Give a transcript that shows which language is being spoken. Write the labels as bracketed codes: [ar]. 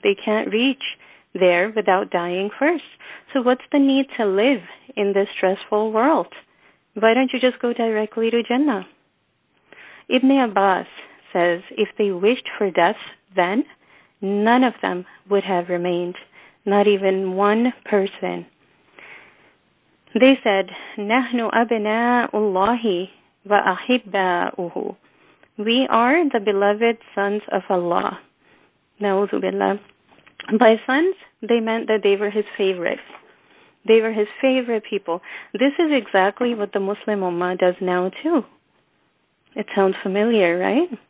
[en] They can't reach there without dying first. So what's the need to live in this stressful world? Why don't you just go directly to Jannah? Ibn Abbas says, if they wished for death then, none of them would have remained, not even one person. They said, [ar] نَحْنُ أَبْنَاءُ اللَّهِ وَأَحِبَّاءُهُ. [en] We are the beloved sons of Allah. [ar] نَعُوذُ بِاللَّهِ. [en] By sons, they meant that they were his favorite. They were his favorite people. This is exactly what the Muslim Ummah does now too. It sounds familiar, right?